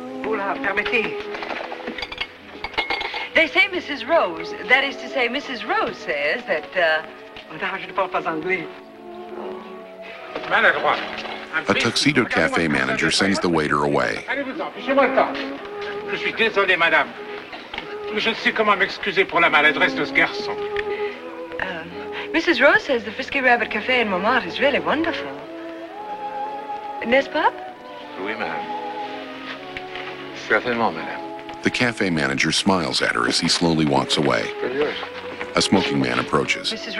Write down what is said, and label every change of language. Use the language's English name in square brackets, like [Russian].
[French] Oula, permettez. [English] They say Mrs. Rose. That is to say, Mrs. Rose says that, A tuxedo cafe manager sends the waiter away. [French] Je suis désolé, madame. Je ne sais comment m'excuser pour la maladresse de ce garçon. [English] Mrs. Rose says the Frisky Rabbit Cafe in Montmartre is really wonderful. [French] N'est-ce pas? Oui, madame. Certainement, madame. [English] The cafe manager smiles at her as he slowly walks away. A smoking man approaches. Mrs.